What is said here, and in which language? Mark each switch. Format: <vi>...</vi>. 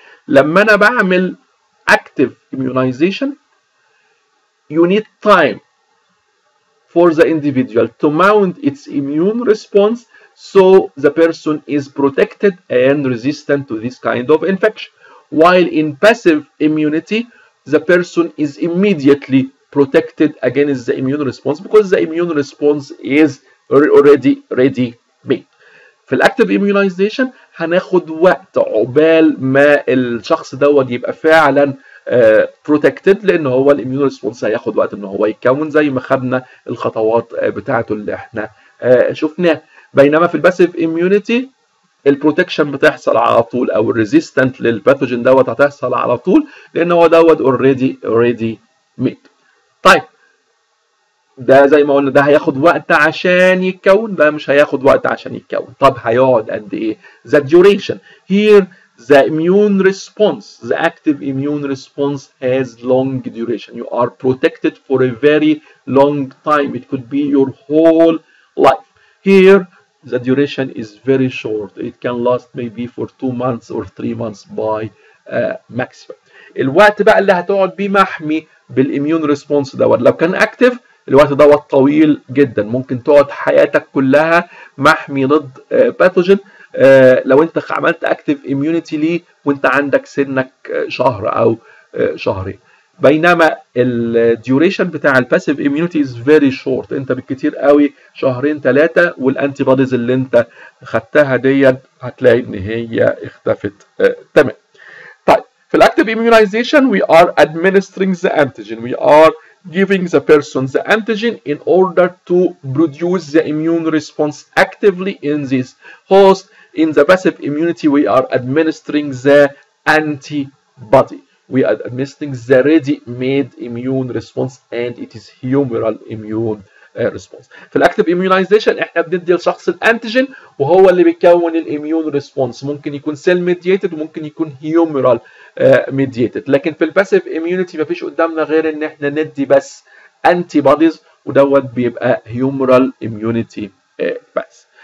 <ar>لما أنا بعمل</ar> <en>active immunization, you need time for the individual to mount its immune response so the person is protected and resistant to this kind of infection. While in passive immunity, the person is immediately protected against the immune response because the immune response is already ready made.</en> <ar>في الاكتف immunization هناخد وقت عقبال ما الشخص دوت يبقى فعلا protected لان هو الاميون ريسبونس هياخد وقت ان هو يتكون زي ما خدنا الخطوات بتاعته اللي احنا شفناها. بينما في الباسيف immunity البروتكشن بتحصل على طول او الريزيستنت للباثوجين دوت هتحصل على طول لان هو دوت</ar> <en>already made.</en> <ar>طيب ده زي ما قلنا ده هياخد وقت عشان يتكون ده مش هياخد وقت عشان يتكون. طب هيقعد قد ايه؟</ar> <en>The duration. Here the immune response, the active immune response has long duration. You are protected for a very long time. It could be your whole life. Here the duration is very short. It can last maybe for 2 months or 3 months by maximum.</en> <ar>الوقت بقى اللي هتقعد بيه محمي بالimmune response ده لو كان active الوقت ده وقت طويل جدا، ممكن تقعد حياتك كلها محمي ضد باثوجين لو انت عملت اكتيف اميونيتي لي وانت عندك سنك شهر او شهرين. بينما الديوريشن بتاع الباسيف اميونيتي</ar> <en>is very short,</en> <ar>انت بالكتير قوي شهرين ثلاثه والانتي بوديز اللي انت خدتها ديت هتلاقي ان هي اختفت تمام. طيب في</ar> <en>الاكتيف immunization we are administering the antigen, we are giving the person the antigen in order to produce the immune response actively in this host. In the passive immunity, we are administering the antibody. We are administering the ready-made immune response, and it is humoral immune response.</en> <ar>في الاكتيف اميونايزيشن احنا بندي لشخص الانتيجين وهو اللي بيكون الاميون ريسبونس، ممكن يكون سيل ميدييتد وممكن يكون هيومرال ميدييتد. لكن في الباسيف اميونيتي مفيش قدامنا غير ان احنا ندي بس انتي بوديز ودوت بيبقى هيومرال اميونيتي بس.</ar>